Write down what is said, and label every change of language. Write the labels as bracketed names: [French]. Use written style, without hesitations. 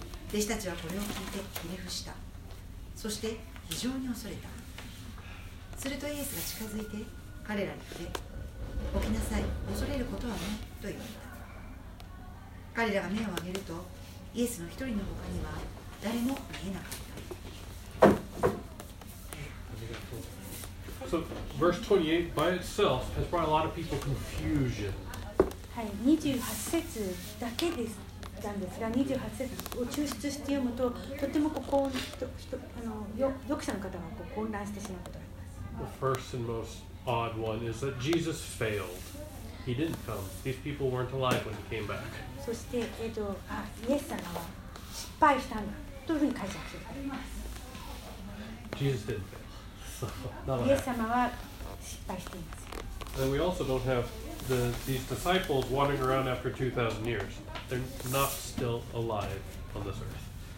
[Japanese] 弟子たちはこれを聞いてひれ伏した。そして非常に恐れた。するとイエスが近づいて彼らに触れ、起きなさい、恐れることはないと言われた。彼らが目を上げるとイエスの一人の他には誰も見えなかった。ありがとう。 [English] So, verse 28 by itself has brought a lot of people confusion. [Japanese] はい、28節だけですんですが、28節を抽出して読むと、とてもこう、読者の方がこう混乱してしまうことがあります。 [English] The first and most odd one is that Jesus failed. He didn't come. These people weren't alive when he came back. [Japanese] そして、イエス様は失敗したんだというふうに解釈されています。 [English] Jesus didn't fail. [Japanese] イエス様は失敗しています。 [English] And we also don't have these disciples wandering around after 2,000 years. They're not still alive on this earth.